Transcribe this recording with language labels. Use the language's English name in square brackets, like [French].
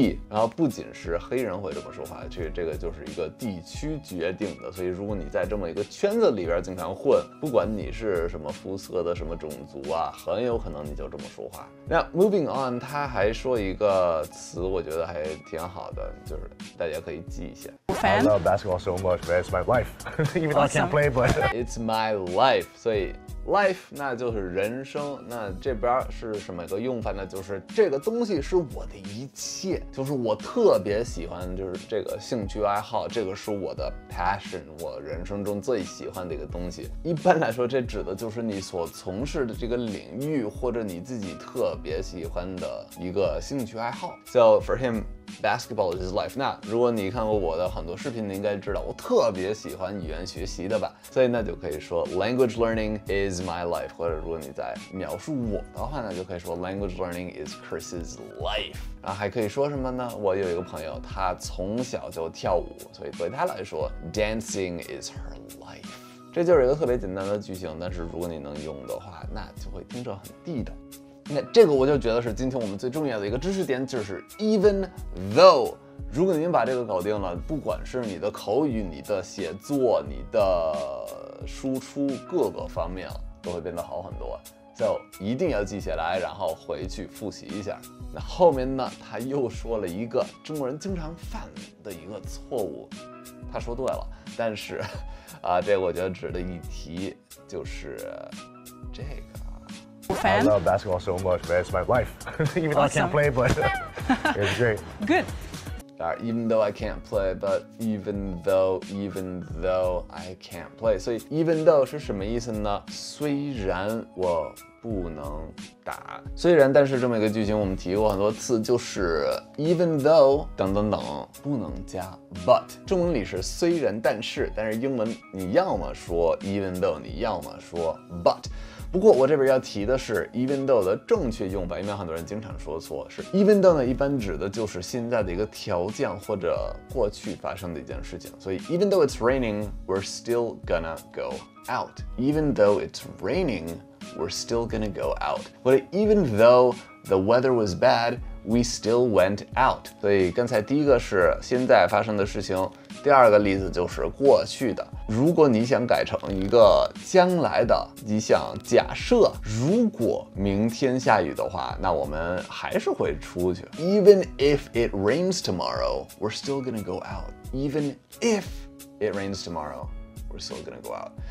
[Chinese] 然后不仅是黑人会这么说话，其实这个就是一个地区决定的，所以如果你在这么一个圈子里边经常混，不管你是什么肤色的什么种族啊，很有可能你就这么说话。那 [English] moving on， [Chinese] 他还说一个词我觉得还挺好的，就是大家可以记一下 [English] fan? I love basketball so much but it's my life even though I can't play but it's my life， [Chinese] 所以life 那就是人生，那这边是什么一个用法呢？就是这个东西是我的一切，就是我特别喜欢，就是这个兴趣爱好，这个是我的 passion， 我人生中最喜欢的一个东西。一般来说这指的就是你所从事的这个领域或者你自己特别喜欢的一个兴趣爱好。 [English] So for himBasketball is his life。 [Chinese] 那如果你看过我的很多视频，你应该知道我特别喜欢语言学习的吧，所以那就可以说 [English] language learning is my life， [Chinese] 或者如果你在描述我的话，那就可以说 [English] language learning is Chris's life。 [Chinese] 然后还可以说什么呢？我有一个朋友，他从小就跳舞，所以对他来说 [English] dancing is her life。 [Chinese] 这就是一个特别简单的句型，但是如果你能用的话，那就会听着很地道。那这个我就觉得是今天我们最重要的一个知识点，就是 even though， 如果您把这个搞定了，不管是你的口语、你的写作、你的输出各个方面都会变得好很多，就一定要记下来，然后回去复习一下。那后面呢，他又说了一个中国人经常犯的一个错误，他说对了，但是啊，这个我觉得值得一提，就是这个 [English] Fan? I love basketball so much, man. It's my life. even though I can't play, but it's great. Good. Even though I can't play, but even though I can't play. [Chinese] 所以 even though 是什么意思呢？虽然我不能打，虽然但是这么一个句型我们提过很多次，就是 even though 等等等不能加 but。中文里是虽然但是，但是英文你要么说 even though， 你要么说 but。不过我这边要提的是 [English] even though 的正确用法，因为很多人经常说错，是 even though 呢一般指的就是现在的一个条件或者过去发生的一件事情，所以 even though it's raining we're still gonna go out， even though it's raining we're still gonna go out， [Chinese] 或者 [English] even though the weather was bad we still went out。 [Chinese] 所以刚才第一个是现在发生的事情，第二个例子就是过去的。如果你想改成一个将来的，你想假设如果明天下雨的话，那我们还是会出去。 [English] Even if it rains tomorrow we're still gonna go out， Even if it rains tomorrow we're still gonna go out。